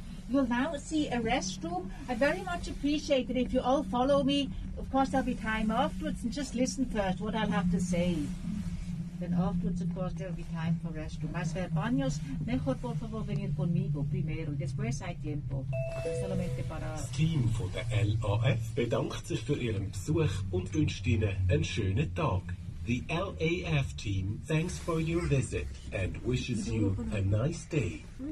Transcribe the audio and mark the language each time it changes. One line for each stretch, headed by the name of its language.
English: You'll now see a restroom. I very much appreciate it if you all follow me. Of course, there'll be time afterwards, and just listen first what I'll have to say. Then afterwards, of course, there'll be time for restroom.
Spanish: Más ver baños, mejor por favor venir conmigo primero. Después hay tiempo. Solamente para...
German: Das Team von der LAF bedankt sich für Ihren Besuch und wünscht Ihnen einen schönen Tag.
English: The LAF team thanks for your visit and wishes you a nice day.